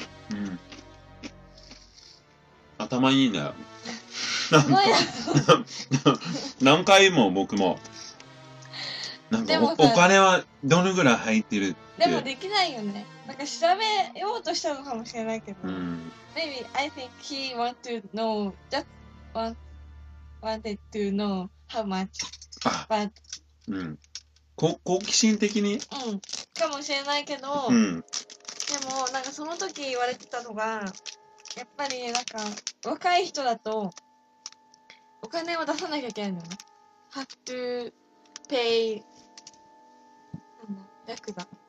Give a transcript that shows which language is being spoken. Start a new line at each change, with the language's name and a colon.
Japanese: うん、頭いいんだよ。すごいな。何回も僕もなんか お金はどのぐらい入ってるって。でもできないよね、なんか調べようとしたのかもしれないけど、うん、
English: Maybe I think he want to know just wanted to know how much but、
Japanese: うん、好奇心的に、うん、かもしれないけど、うん、でもなんかその時言われてたのがやっぱりなんか若い人だとお金を出さなきゃいけないの、
English: have to pay、
Japanese: なんだ、ヤクザ、